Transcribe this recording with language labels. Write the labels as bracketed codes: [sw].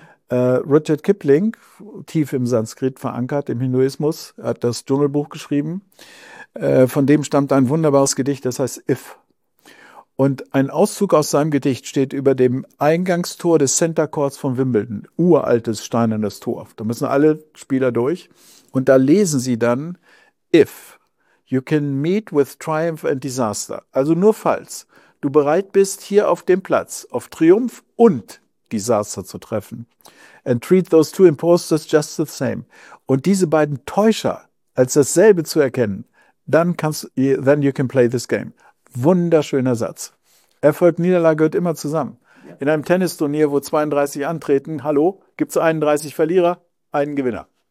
[de] Rudyard Kipling, tief im Sanskrit verankert, im Hinduismus, hat das Dschungelbuch geschrieben. Von dem stammt ein wunderbares Gedicht, das heißt If. Und ein Auszug aus seinem Gedicht steht über dem Eingangstor des Center Courts von Wimbledon. Uraltes, steinernes Tor. Da müssen alle Spieler durch. Und da lesen sie dann If. [en] You can meet with triumph and disaster. [de] Also nur falls du bereit bist, hier auf dem Platz auf Triumph und Disaster zu treffen. [en] And treat those two impostors just the same. [de] Und diese beiden Täuscher als dasselbe zu erkennen, [en] then you can play this game. [de] Wunderschöner Satz. Erfolg, Niederlage gehört immer zusammen. In einem Tennisturnier, wo 32 antreten, hallo, gibt es 31 Verlierer, einen Gewinner.